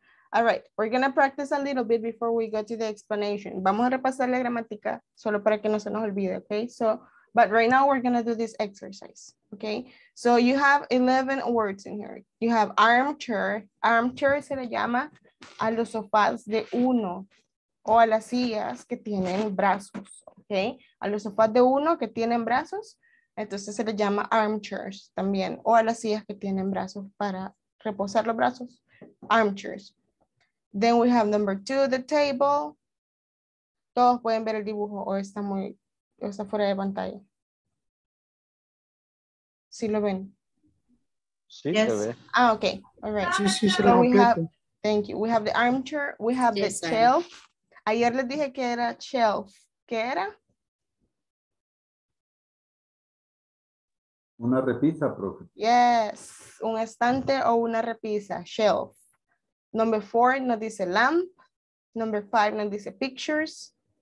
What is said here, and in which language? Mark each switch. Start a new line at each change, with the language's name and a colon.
English: All right, we're gonna practice a little bit before we go to the explanation.
Spanish: Vamos a repasar la gramática solo para que no se nos olvide, okay?
English: So, but right now we're gonna do this exercise, okay? So you have 11 words in here. You have armchair.
Spanish: Armchair se le llama a los sofás de uno o a las sillas que tienen brazos, okay? A los sofás de uno que tienen brazos. Entonces se le llama armchairs también, o a las sillas que tienen brazos para reposar los brazos, armchairs.
English: Then we have number two, the table.
Spanish: Todos pueden ver el dibujo o está muy, o está fuera de pantalla. ¿Sí lo ven? Sí, se ve.
English: Ah, okay, all right.
Spanish: Sí, sí, se lo
English: we have, thank you. We have the armchair, we have yes, the shelf.
Spanish: Ayer les dije que era shelf, ¿qué era? Una repisa, profe. Yes, un estante o una repisa, shelf.
English: Number four
Spanish: nos dice
English: lamp. Number five nos dice pictures.